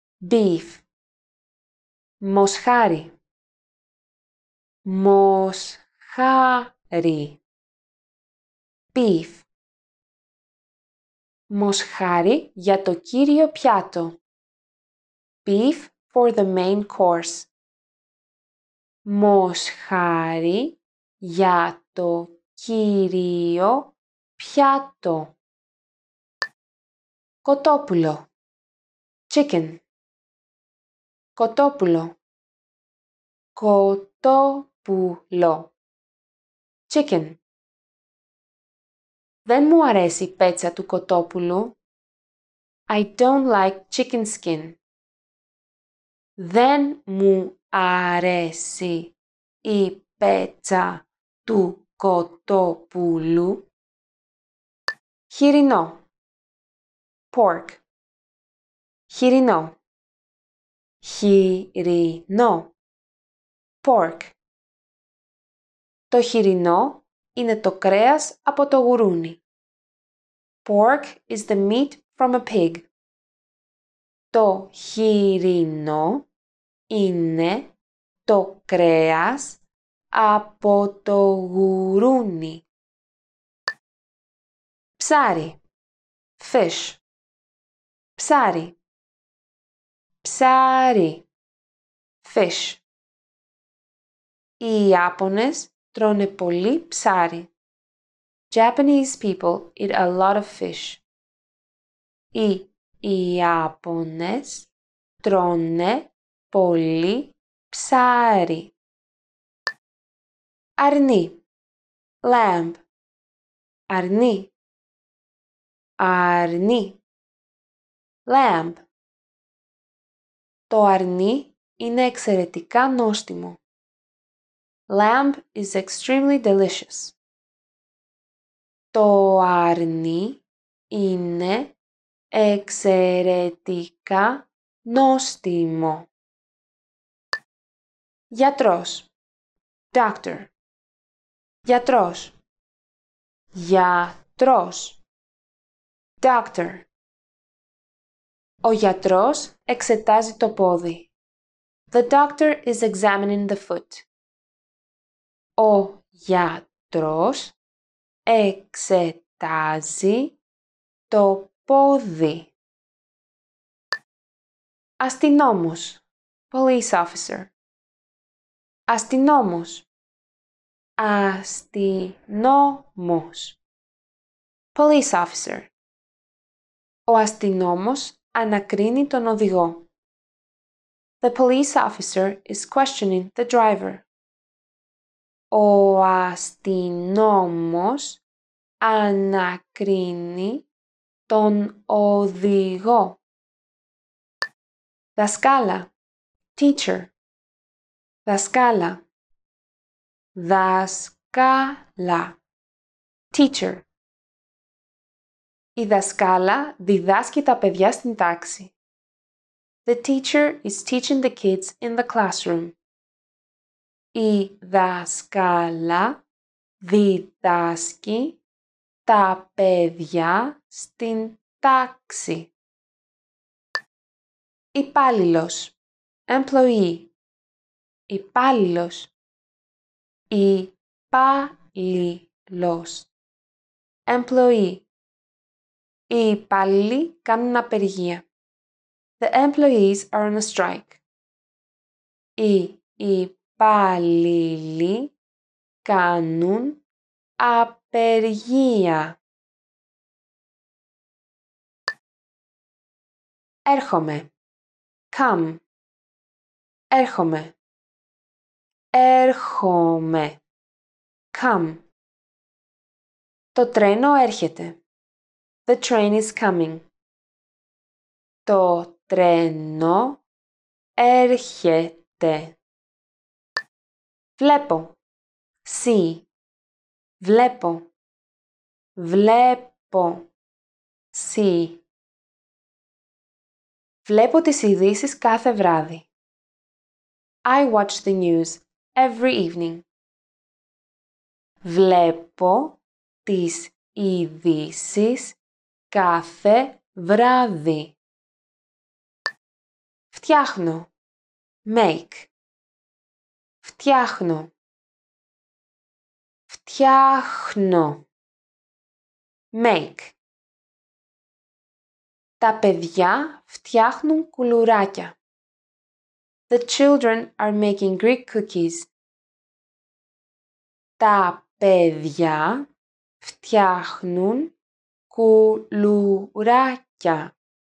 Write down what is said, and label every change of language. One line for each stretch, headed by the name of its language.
English: Beef.
Greek: Μοσχάρι. Μοσχάρι.
English: Beef.
Greek: Μοσχάρι για το κύριο πιάτο.
English: Beef for the main course.
Greek: Μοσχάρι για το κύριο πιάτο. Κοτόπουλο.
English: Chicken.
Greek: Κοτόπουλο. Κοτόπουλο.
English: Chicken.
Greek: Δεν μου αρέσει η πέτσα του κοτόπουλου.
English: I don't like chicken skin.
Greek: Δεν μου αρέσει η πέτσα του κοτόπουλου. Χοιρινό.
English: Pork.
Greek: Χοιρινό. Χοιρινό.
English: Pork.
Greek: Το χοιρινό είναι το κρέας από το γουρούνι.
English: Pork is the meat from a pig.
Greek: Το χοιρινό είναι το κρέας από το γουρούνι. Ψάρι.
English: Fish.
Greek: Ψάρι. Ψάρι.
English: Fish.
Greek: Οι Ιάπωνες τρώνε πολύ ψάρι.
English: Japanese people eat a lot of fish.
Greek: Οι Ιάπωνες τρώνε πολύ ψάρι. Αρνί.
English: Lamb.
Greek: Αρνί. Αρνί.
English: Lamb.
Greek: Το αρνί είναι εξαιρετικά νόστιμο.
English: Lamb is extremely delicious.
Greek: Το αρνί είναι εξαιρετικά νόστιμο. Γιατρός.
English: Doctor.
Greek: Γιατρός. Γιατρός.
English: Doctor.
Greek: Ο γιατρός εξετάζει το πόδι.
English: The doctor is examining the foot.
Greek: Ο γιατρός εξετάζει το πόδι. Αστυνόμος.
English: Police officer.
Greek: Αστυνόμος. Αστυνόμος.
English: Police officer.
Greek: Ο αστυνόμος ανακρίνει τον οδηγό.
English: The police officer is questioning the driver.
Greek: Ο αστυνόμος ανακρίνει τον οδηγό. Δασκάλα.
English: Teacher.
Greek: Δασκάλα. Δασκάλα.
English: Teacher.
Greek: Η δασκάλα διδάσκει τα παιδιά στην τάξη.
English: The teacher is teaching the kids in the classroom.
Greek: Η δασκάλα διδάσκει τα παιδιά στην τάξη. Υπάλληλος.
English: Employee.
Greek: Υπάλληλος. Υπάλληλος.
English: Employee.
Greek: Οι υπάλληλοι κάνουν απεργία.
English: The employees are on a strike.
Greek: Οι υπάλληλοι κάνουν απεργία. Έρχομαι.
English: Come.
Greek: Έρχομαι. Έρχομαι.
English: Come.
Greek: Το τρένο έρχεται.
English: The train is coming.
Greek: Το τρένο έρχεται. Βλέπω.
English: See.
Greek: Βλέπω. Βλέπω.
English: See.
Greek: Βλέπω τις ειδήσεις κάθε βράδυ.
English: I watch the news every evening.
Greek: Βλέπω τις ειδήσεις κάθε βράδυ. Φτιάχνω.
English: Make.
Greek: Φτιάχνω. Φτιάχνω.
English: Make.
Greek: Τα παιδιά φτιάχνουν κουλουράκια.
English: The children are making Greek cookies.
Greek: Τα παιδιά φτιάχνουν κουλουράκια.